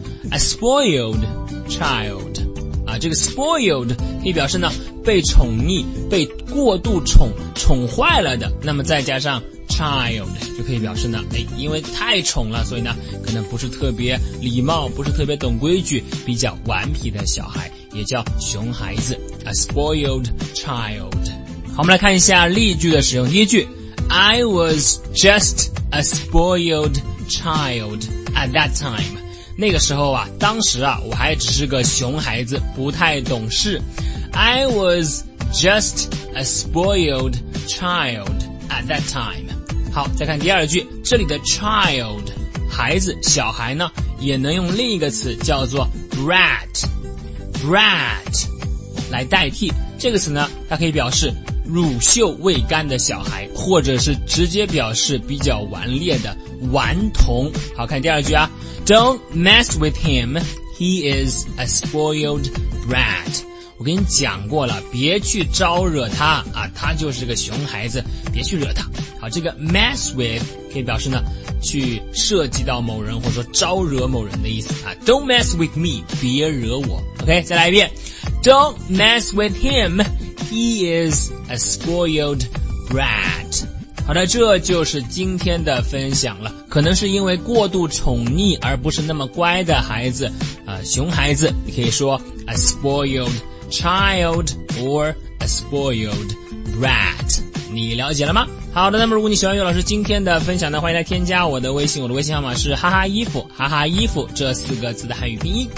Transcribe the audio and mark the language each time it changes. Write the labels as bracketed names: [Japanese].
[Chinese] A spoiled child 啊，这个 spoiled 可以表示呢被宠溺，被过度宠坏了的，那么再加上child 就可以表示呢，哎，因为太宠了，所以呢可能不是特别礼貌，不是特别懂规矩，比较顽皮的小孩，也叫熊孩子， A spoiled child。好，我们来看一下例句的使用。 [English] 第一句， I was just a spoiled child at that time。 [Chinese] 那个时候啊，当时啊，我还只是个熊孩子，不太懂事。 [English] I was just a spoiled child at that time。 [Chinese] 好，再看第二句，这里的 child 孩子小孩呢，也能用另一个词叫做 rat 来代替。这个词呢，它可以表示乳臭未干的小孩，或者是直接表示比较顽劣的顽童。好，看第二句啊， [English] Don't mess with him, he is a spoiled rat。 [Chinese] 我跟你讲过了，别去招惹他啊，他就是个熊孩子，别去惹他。好，这个 mess with 可以表示呢去涉及到某人，或者说招惹某人的意思啊。 [English] Don't mess with me, [Chinese] 别惹我。 [English] OK, [Chinese] 再来一遍， [English] Don't mess with him, he is a spoiled brat。 [Chinese] 好的，这就是今天的分享了。可能是因为过度宠溺而不是那么乖的孩子啊，熊孩子，你可以说 [English] a spoiledchild or a spoiled rat。 [Chinese] 你了解了吗？好的，那么如果你喜欢岳老师今天的分享呢，欢迎来添加我的微信，我的微信号码是哈哈衣服，哈哈衣服这四个字的汉语拼音。